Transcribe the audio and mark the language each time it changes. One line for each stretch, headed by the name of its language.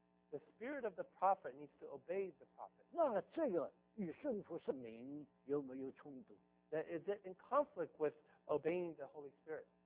English: The spirit of the prophet needs to obey the prophet.
Chinese: 那这个与顺服圣灵有没有冲突？
English: That is it in conflict with obeying the Holy Spirit?